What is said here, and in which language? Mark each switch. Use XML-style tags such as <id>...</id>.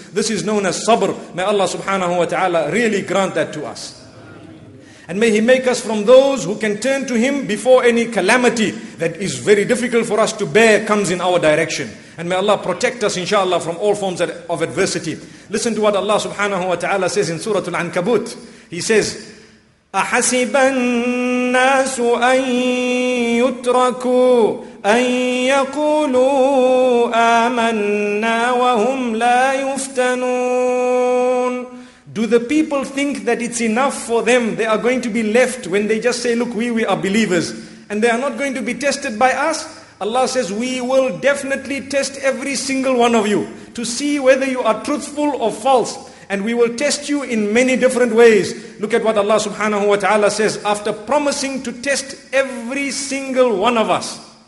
<en>This is known as sabr. May Allah subhanahu wa ta'ala really grant that to us. And may He make us from those who can turn to Him before any calamity that is very difficult for us to bear comes in our direction. And may Allah protect us, inshallah, from all forms of adversity. Listen to what Allah subhanahu wa ta'ala says in Surah Al-Ankabut. He says,</en> <ar>أَحَسِبَ النَّاسُ أَن يُتْرَكُوا أَن يَقُولُوا آمَنَّا وَهُمْ لَا يُفْتَنُونَ.</ar> <en>Do the people think that it's enough for them? They are going to be left when they just say, look, we are believers. And they are not going to be tested by us. Allah says, we will definitely test every single one of you to see whether you are truthful or false. And we will test you in many different ways. Look at what Allah subhanahu wa ta'ala says after promising to test every single one of us.</en>